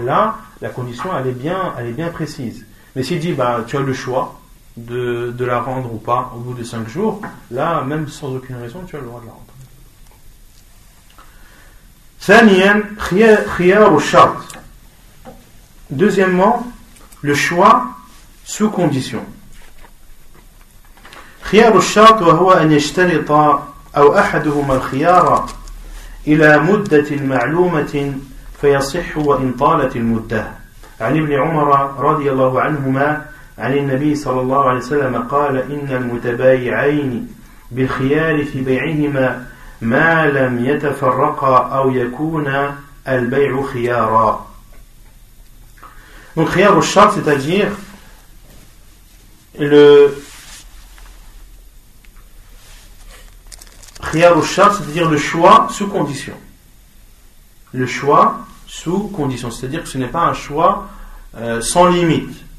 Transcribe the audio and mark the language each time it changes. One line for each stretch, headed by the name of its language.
French: Là, la condition, elle est bien précise. Mais s'il dit, bah, tu as le choix de la rendre ou pas au bout de 5 jours, là, même sans aucune raison, tu as le droit de la rendre. Deuxièmement, le choix sous condition.
Arabic: خيار الشرط وهو أن يشترط أو أحدهما الخيار إلى مدة معلومة فيصح وإن طالت المدة. عن ابن عمر رضي الله عنهما عن النبي صلى الله عليه وسلم قال إن المتبايعين بالخيار في بيعهما ما لم يتفرقا أو يكون البيع خيارا.
French: Donc خيار الشرط c'est-à-dire le Khiyar al-shart, c'est-à-dire le choix sous condition. Le choix sous condition, c'est-à-dire que ce n'est pas un choix sans limite.